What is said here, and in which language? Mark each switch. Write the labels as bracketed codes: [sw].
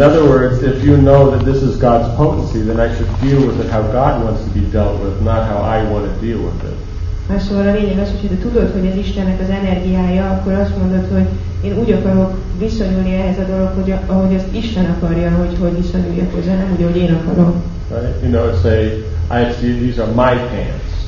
[en] other words, if you know that this is God's potency, then I should deal with it how God wants to be dealt with, not how I want to deal with it. [hu] Más szóval a lényeg az, hogy te tudod, hogy ez Istennek az energiája, akkor azt mondod, hogy én úgy akarok viszonyulni ehhez a dolog, hogy ahogy azt Isten akarja, hogy viszonyuljak hozzá, nem úgy, ahogy én akarom. [en] Right? You know, say, I see these are my hands.